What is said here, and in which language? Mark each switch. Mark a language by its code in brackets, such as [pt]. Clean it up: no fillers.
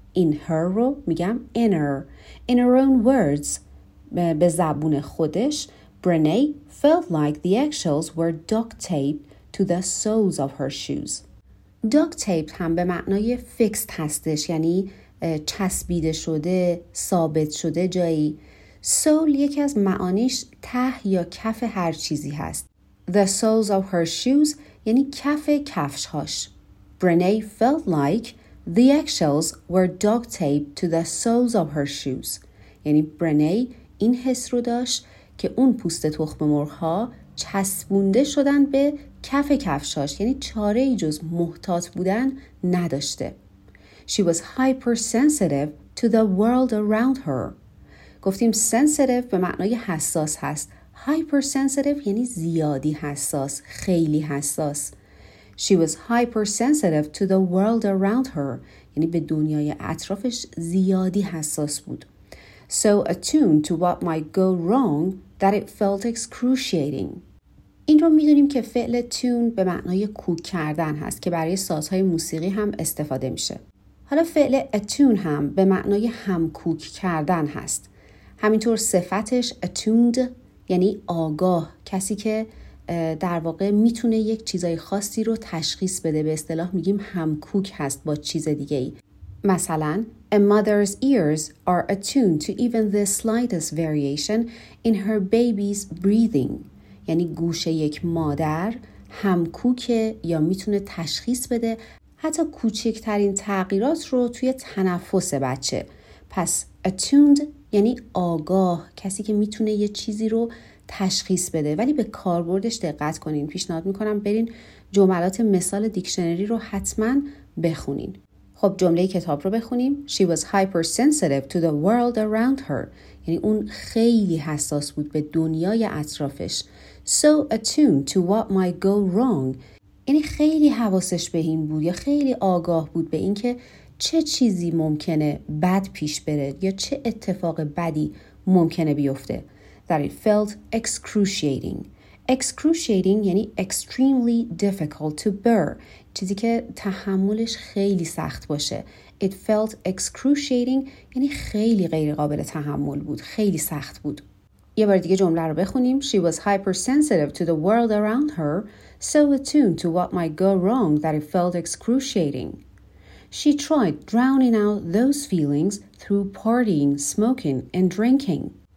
[en] In her [fa] رو میگم [en] in her. In her own words، [fa] به زبون خودش، [en] Brené felt like the eggshells were duct taped to the soles of her shoes. [fa] Duct taped هم به معنای fixed هستش، یعنی چسبیده شده، ثابت شده جایی. Sole یکی از معانیش ته یا کف هر چیزی هست. [en] The soles of her shoes [fa] یعنی کف کفش هاش. [en] Brené felt like the eggshells were duct taped to the soles of her shoes. [fa] یعنی Brené این حس رو داشت که اون پوست تخم مرغ ها چسبونده شدن به کف کفشاش، یعنی چاره ای جز محتاط بودن نداشته. [en] She was hypersensitive to the world around her. [fa] گفتیم sensitive به معنای حساس هست. Hypersensitive یعنی زیادی حساس، خیلی حساس. [en] She was hypersensitive to the world around her. [fa] یعنی به دنیای اطرافش زیادی حساس بود. [en] So attuned to what might go wrong that it felt excruciating. [fa] این رو میدونیم که فعل tune به معنای کوک کردن هست که برای سازهای موسیقی هم استفاده میشه. حالا فعل attune هم به معنای همکوک کردن هست. همینطور صفتش attuned یعنی آگاه، کسی که در واقع میتونه یک چیزای خاصی رو تشخیص بده، به اصطلاح میگیم همکوک هست با چیز دیگه ای. [en] مثلا A mother's ears are attuned to even the slightest variation in her baby's breathing. [fa] یعنی گوش یک مادر همکوکه یا میتونه تشخیص بده حتی کوچکترین تغییرات رو توی تنفس بچه. پس attuned یعنی آگاه، کسی که میتونه یه چیزی رو تشخیص بده. ولی به کاربردش دقت کنین. پیشنهاد میکنم برین جملات مثال دیکشنری رو حتما بخونین. خب جمله کتاب رو بخونیم. [en] She was hypersensitive to the world around her. [fa] یعنی اون خیلی حساس بود به دنیای اطرافش. [en] So attuned to what might go wrong. [fa] یعنی خیلی حواسش به این بود یا خیلی آگاه بود به اینکه چه چیزی ممکنه بد پیش بره یا چه اتفاق بدی ممکنه بیفته. [en] That it felt excruciating. Excruciating یعنی extremely difficult to bear. [fa] چیزی که تحملش خیلی سخت باشه. [en] It felt excruciating [fa] یعنی خیلی غیر قابل تحمل بود. خیلی سخت بود. یه بار دیگه جمله رو بخونیم. [en] She was hypersensitive to the world around her, so attuned to what might go wrong that it felt excruciating. She tried drowning out those feelings through partying, smoking and drinking.